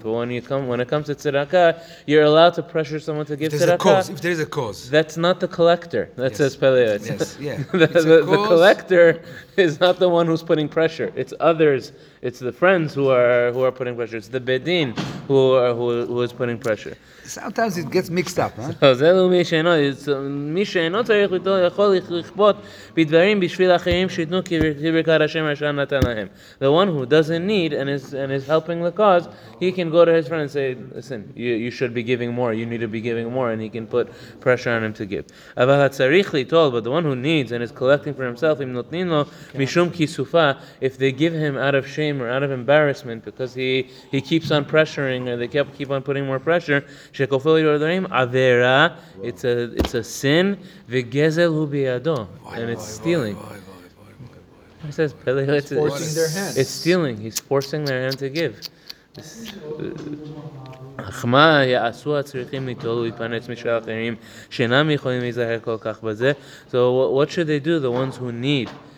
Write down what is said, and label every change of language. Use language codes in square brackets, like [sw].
[en] But when it comes to tzedakah, you're allowed to pressure someone to give tzedakah. If there's a cause. That's not the collector. That says Pele Yoetz. Yes, yeah. the collector is not the one who's putting pressure. It's others. It's the friends who are putting pressure. It's the bedin who is putting pressure. Sometimes it gets mixed up, huh? [he] זה לא מי שאינו, מי שאינו צריך לטעון יכול לכפות בדברים בשביל אחרים שיתנו כי ברכת השם השם נתן להם. [en] The one who doesn't need and is helping the cause, he can go to his friend and say, listen, you should be giving more, you need to be giving more, and he can put pressure on him to give. [he] אבל הצריך לטעון, [en] but the one who needs and is collecting for himself, [he] אם נותנים לו משום כיסופה, [en] if they give him out of shame or out of embarrassment because he keeps on pressuring or they keep on putting more pressure, [he] שכופל יהיו הדברים, עבירה, [en] it's a sin, [he] וגזל הוא בידו, [en] and it's stealing. He says, Pele Yoetz, it's stealing, he's forcing their hand to give. [he] חכמה יעשו הצריכים ליטול ויפנץ משל אחרים, שאינם יכולים להיזהר כל כך בזה. [en] So what should they do, the ones who need?